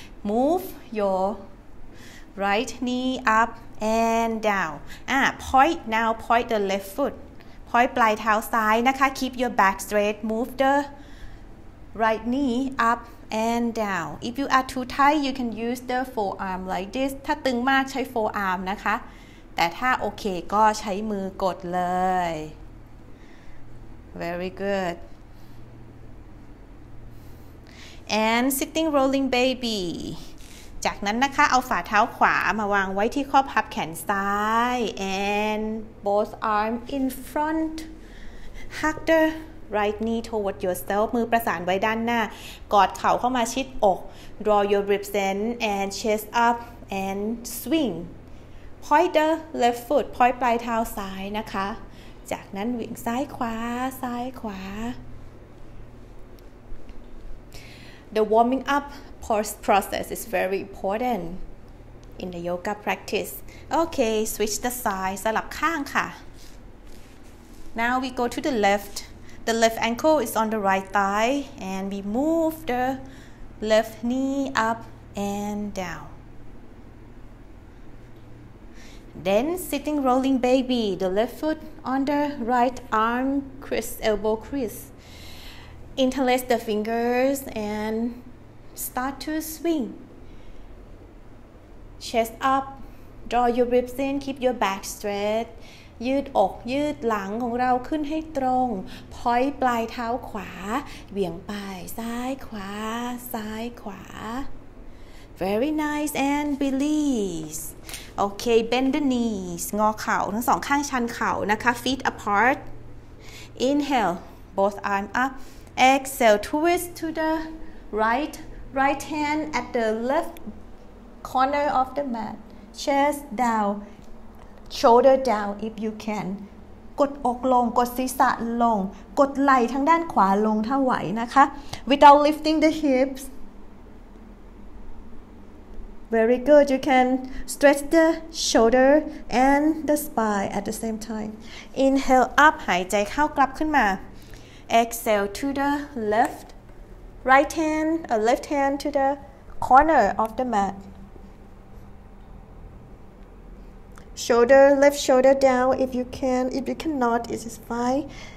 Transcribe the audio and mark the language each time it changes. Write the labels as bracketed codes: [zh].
[en] Move your right knee up. And down. Point now. Point the left foot. Point [th] ปลายเท้าซ้ายนะคะ. [en] Keep your back straight. Move the right knee up and down. If you are too tight, you can use the forearm like this. [th] ถ้าตึงมากใช้ forearm นะคะแต่ถ้าโอเคก็ใช้มือกดเลย [en] Very good. And sitting rolling baby. [th] จากนั้นนะคะเอาฝ่าเท้าขวามาวางไว้ที่ข้อพับแขนซ้าย [en] And both arm in front. Hug the right knee toward yourself. [th] มือประสานไว้ด้านหน้ากอดเข่าเข้ามาชิดอก [en] Draw your ribs in and chest up and swing. Point the left foot, point [th] ปลายเท้าซ้ายนะคะจากนั้นเหวี่ยงซ้ายขวาซ้ายขวา [en] The warming up process is very important in the yoga practice. Okay, switch the side, [th] สลับข้างค่ะ [en] Now we go to the left. The left ankle is on the right thigh and we move the left knee up and downThen sitting rolling baby, the left foot on the right arm, crease, elbow crease. Interlace the fingers and start to swing. Chest up, draw your ribs in, keep your back straight. [th] ยืดอกยืดหลังของเราขึ้นให้ตรง Point ปลายเท้าขวาเหวี่ยงไปซ้ายขวาซ้ายขวา [en] Very nice and releaseOkay, bend the knees. [th] งอเข่าทั้งสองข้างชันเข่านะคะ [en] Feet apart. Inhale, both arms up. Exhale, twist to the right. Right hand at the left corner of the mat. Chest down. Shoulder down if you can. [th] กดอกลงกดศีรษะลงกดไหล่ทางด้านขวาลงถ้าไหวนะคะ [en] Without lifting the hips. Very good. You can stretch the shoulder and the spine at the same time. Inhale up. [th] หายใจเข้ากลับขึ้นมา [en] Exhale to the left. Right hand, left hand to the corner of the mat. Shoulder, left shoulder down if you can. If you cannot, it is fine.